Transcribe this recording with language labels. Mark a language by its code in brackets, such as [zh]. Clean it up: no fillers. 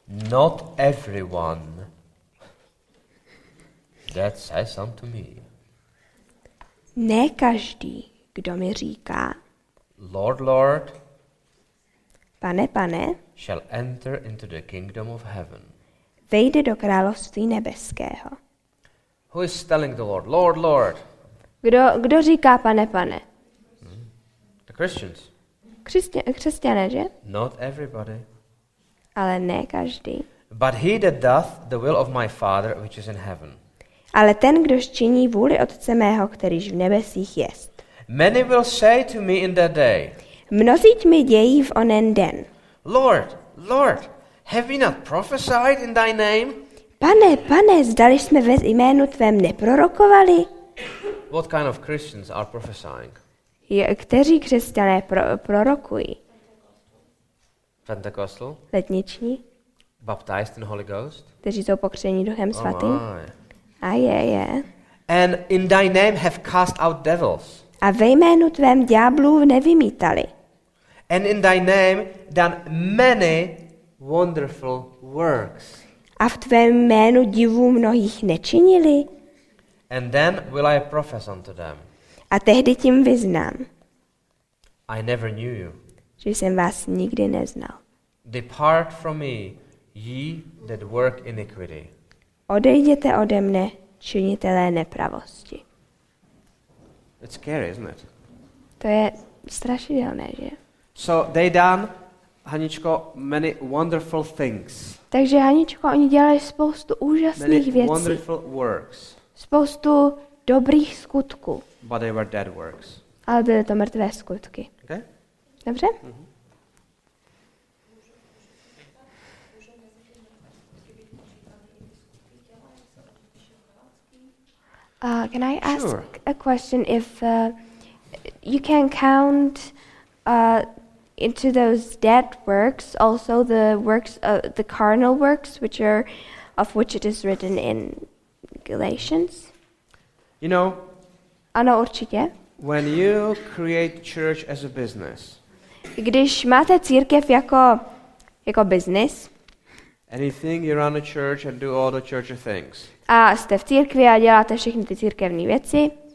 [en] Not everyone that says unto me. [cs] Ne každý, kdo mi říká. [en] Lord, Lord. [cs] Pane, pane. [en] Shall enter into the kingdom of heaven. [cs] Vejde do království nebeského. [en] Who is telling the Lord, Lord, Lord? [cs] Kdo říká pane, pane? [en] The Christians. [cs] Křesťané, že? [en] Not everybody. [cs] Ale ne každý. [en] But he that doth the will of my Father which is in heaven. [cs] Ale ten, kdož činí vůli Otce mého, kterýž v nebesích jest. [en] Many will say to me in that day. [cs] Mnozí mi dějí v onen den. [en] Lord, Lord, have we not prophesied in thy name? [cs] Pane, pane, zdali jsme ve jménu tvém neprorokovali? [en] What kind of Christians are prophesying? [cs] Kteří křesťané prorokují? [en] Pentecostal? [cs] Letniční? [en] Baptized in Holy Ghost? [cs] Kteří jsou pokřtěni Duchem Svatým? [en] Oh my. And in thy name have cast out devils. [cs] A ve jménu tvém ďáblů nevymítali. [en] And in thy name done many wonderful works. [cs] A v tvém jménu divů mnohých nečinili. [en] And then will I profess unto them. [cs] A tehdy tím vyznám. [en] I never knew you. [cs] Že jsem vás nikdy neznal. [en] Depart from me, ye that work iniquity. [cs] Odejděte ode mne, činitelé nepravosti. [en] It's scary, isn't it? [cs] To je strašidelné, že? [en] So they done, Haničko, many wonderful things. [cs] Takže Haničko, oni dělali spoustu úžasných [en] many [cs] věcí. [en] Wonderful works. [cs] Spoustu dobrých skutků. [en] But they were dead works. [cs] Ale byly to mrtvé skutky. [en] Okay? [cs] Dobře? Mm-hmm. [en] Can I ask sure. a question? If you can count into those dead works, also the works, the carnal works, which are of which it is written in Galatians. You know. [cs] Ano, určitě. [en] When you create church as a business. [cs] Když máte církev jako business. [en] And you think you run a church and do all the churchy things. [cs] A jste v církvi a děláte všechny ty církevní věci.